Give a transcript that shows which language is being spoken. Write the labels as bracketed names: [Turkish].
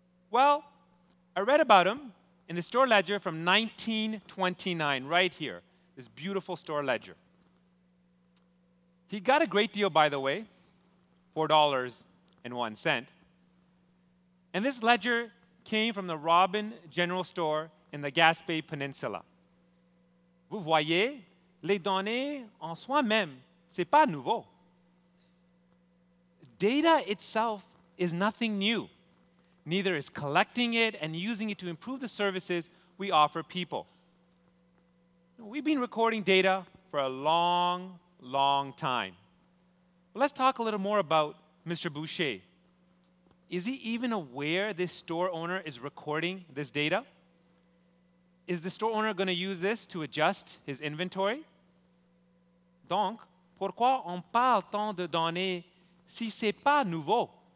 [English] Well, I read about him in the store ledger from 1929, right here, this beautiful store ledger. He got a great deal, by the way, $4.01. And this ledger came from the Robin General Store in the Gaspé Peninsula. [French] Vous voyez, les données en soi-même, c'est pas nouveau. [English] Data itself is nothing new. Neither is collecting it and using it to improve the services we offer people. We've been recording data for a long, long time. But let's talk a little more about Mr. Boucher. Is he even aware this store owner is recording this data? Is the store owner going to use this to adjust his inventory? [French] Donc, pourquoi on parle tant de données si c'est pas nouveau?